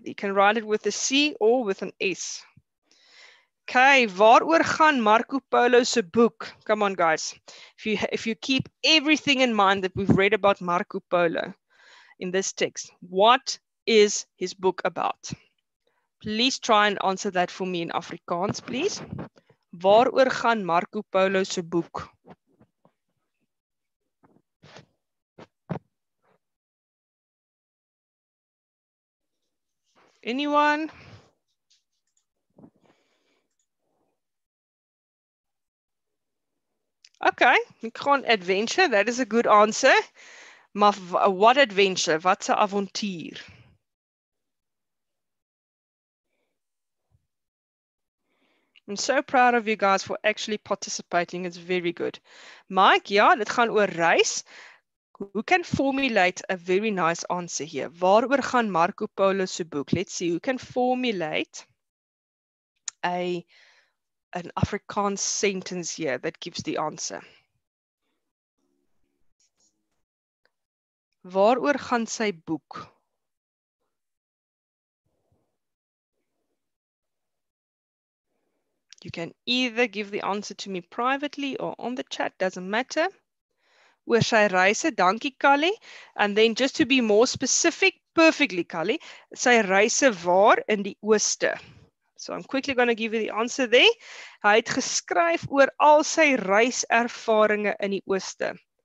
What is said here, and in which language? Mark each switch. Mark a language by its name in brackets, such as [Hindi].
[English] You can write it with a C or with an S. Okay, [Afrikaans] waaroor gaan Marco Polo se boek? [English] Come on, guys. If you keep everything in mind that we've read about Marco Polo in this text, what is his book about? Please try and answer that for me in Afrikaans, please. [Afrikaans] Waaroor gaan Marco Polo se boek? [English] Anyone? Okay, [Afrikaans] ek gaan [English] adventure, that is a good answer. [Afrikaans] Maar [English] what adventure? [Afrikaans] Wat 'n avontuur? [English] I'm so proud of you guys for actually participating. It's very good. Mike, [Afrikaans] ja, dit gaan oor reis. [English] Who can formulate a very nice answer here? [Afrikaans] Waaroor gaan Marco Polo se boek? [English] Let's see, who can formulate an Afrikaans sentence here that gives the answer? [Afrikaans] Waaroor gaan sy boek? [English] You can either give the answer to me privately or on the chat, doesn't matter. [Afrikaans] Oor sy reise, dankie Kali. [English] And then just to be more specific, perfectly [Afrikaans] Kali, sy reise waar in die ooste. [English] So I'm quickly going to give you the answer there. [Afrikaans] Hy het geskryf oor al sy reiservaringe in die ooste.